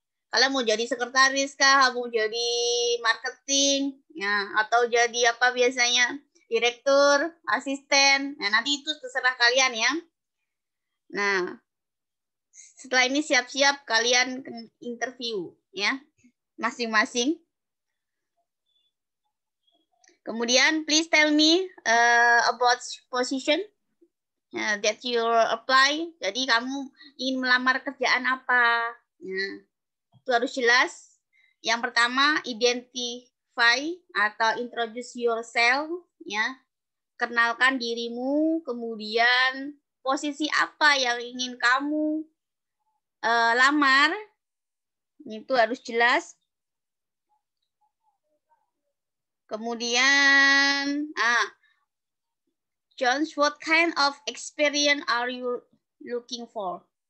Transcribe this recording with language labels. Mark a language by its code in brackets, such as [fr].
[id] Kalian mau jadi sekretaris kah, mau jadi marketing ya, atau jadi apa biasanya? Direktur, asisten. Nah, nanti itu terserah kalian ya. Nah, setelah ini siap-siap kalian interview ya masing-masing. Kemudian [en] please tell me about position that you apply. [id] Jadi kamu ingin melamar kerjaan apa? Nah, itu harus jelas. Yang pertama [en] identify [id] atau [en] introduce yourself [id] ya. Kenalkan dirimu, kemudian posisi apa yang ingin kamu lamar. Itu harus jelas. Kemudian, [en] John, what kind of experience are you looking for?